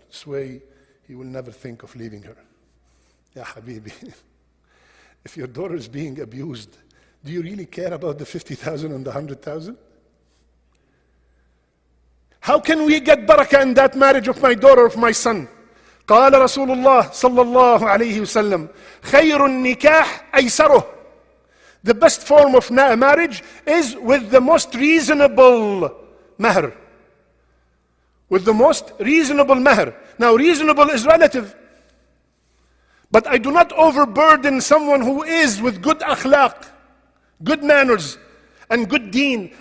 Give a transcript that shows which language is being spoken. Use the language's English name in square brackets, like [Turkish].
[English] This way, he will never think of leaving her. Ya Habibi, if your daughter is being abused, do you really care about the 50,000 and the 100,000? How can we get barakah in that marriage of my daughter, of my son? [Arabic] قال رسول الله صلى الله عليه وسلم خير النكاح أيسره. [English] The best form of marriage is with the most reasonable mahr. With the most reasonable mahr. Now, reasonable is relative. But I do not overburden someone who is with good akhlaq, good manners, and good deen.